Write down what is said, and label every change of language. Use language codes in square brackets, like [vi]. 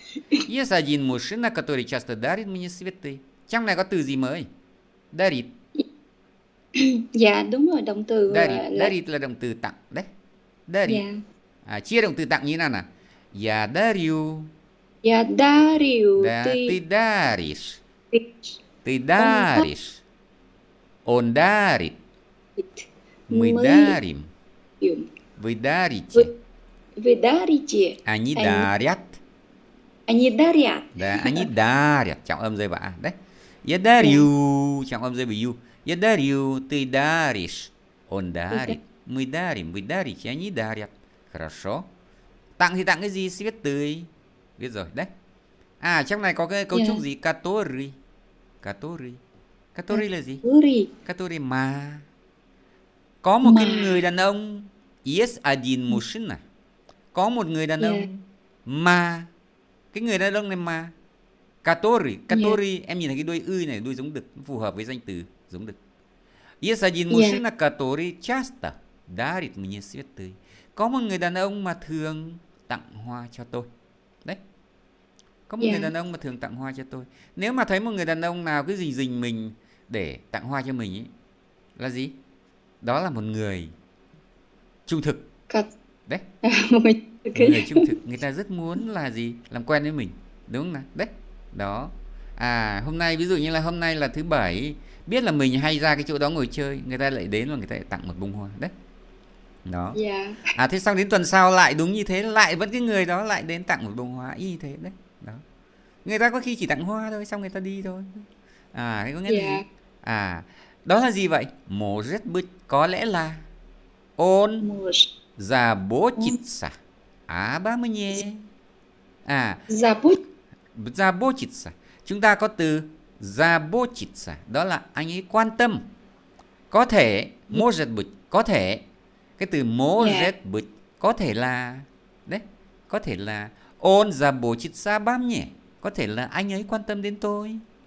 [ru] Есть один мужчина, который часто дарит мне цветы. [vi] Trong này có từ gì mới? Дарит. Dạ đúng rồi, động từ Дарит, дарит là động từ tặng đấy. [ru] Дарит. Yeah. [vi] À, chia động từ tặng như thế nào nào? [ru] Я дарю. Я дарю. Ты даришь. Ты даришь. Он дарит. Мы дарим. Вы дарите. Вы дарите. Они дарят. Они дарят. Да, они дарят. [vi] Trọng âm rơi vào A đấy. [ru] Я дарю. [vi] Trọng âm rơi vào U. [ru] Я дарю, ты даришь, он дарит, мы дарим, вы дарите, они дарят. [vi] Хорошо. Tặng thì tặng cái gì? Свет tươi. Biết rồi, đấy. À, trong này có cái câu trúc gì? Который. Который. Который là gì? [ru] Который. [vi] Который mà. Có một cái người đàn ông. [ru] Есть один мужчина. [vi] Có một người đàn ông. Mà. Cái người đàn ông này mà. Который. Который. Em nhìn thấy cái đuôi ư này, đuôi giống đực, phù hợp với danh từ. Giống được. [ru] Есть один мужчина, который часто дарит мне цветы. [vi] Có một người đàn ông mà thường tặng hoa cho tôi. Đấy. Có một người đàn ông mà thường tặng hoa cho tôi. Nếu mà thấy một người đàn ông nào cứ rình rình mình để tặng hoa cho mình ấy, là gì? Đó là một người trung thực. Đấy. Okay. Người trung thực, người ta rất muốn là gì? Làm quen với mình, đúng không nào? Đấy. Đó. À, hôm nay ví dụ như là hôm nay là thứ bảy, biết là mình hay ra cái chỗ đó ngồi chơi, người ta lại đến và người ta lại tặng một bông hoa đấy. Đó. Yeah. À thế xong đến tuần sau lại đúng như thế, lại vẫn cái người đó lại đến tặng một bông hoa y như thế đấy. Đó. Người ta có khi chỉ tặng hoa thôi xong người ta đi thôi. À thế có nghĩa là gì? À đó là gì vậy? [ru] Может быть, [vi] có lẽ là [ru] он заботится обо мне. À заботится. [vi] Chúng ta có từ заботиться, đó là anh ấy quan tâm. Có thể, может быть, có thể. Cái từ может быть, có thể là, đấy, có thể là [ru] он заботится обо мне, [vi] có thể là anh ấy quan tâm đến tôi.